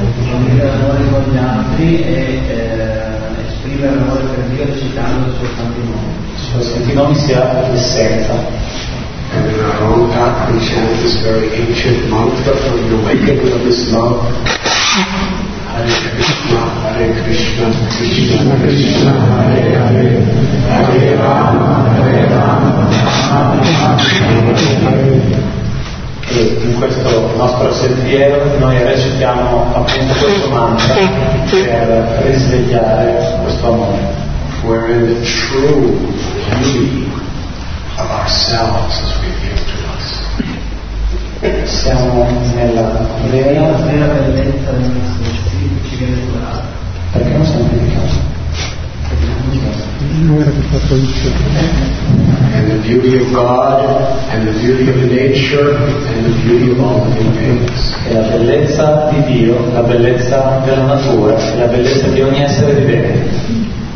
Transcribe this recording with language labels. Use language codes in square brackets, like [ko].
[it] condividere l'amore con gli altri e esprimere l'amore per Dio recitando i suoi santi nomi. Cioè, santi nomi sia l'essenza. [en] And in our own path we chant this very ancient mantra for the awakening of this love. [sa] Hare Krishna, Hare Krishna, Krishna Krishna, Hare Hare, Hare Rama, Hare Rama, Rama Rama. [it] E in questo nostro sentiero noi recitiamo appunto questo mantra per risvegliare questo amore. [en] Where the true beauty of ourselves is revealed to us. [it] Siamo nella vera, vera bellezza del nostro spirito, ci viene curato. Perché non siamo dedicati? [en] And the beauty of God, and the beauty of nature, and the beauty of all living beings. [it] E la bellezza di Dio, la bellezza della natura, e la bellezza di ogni essere vivente.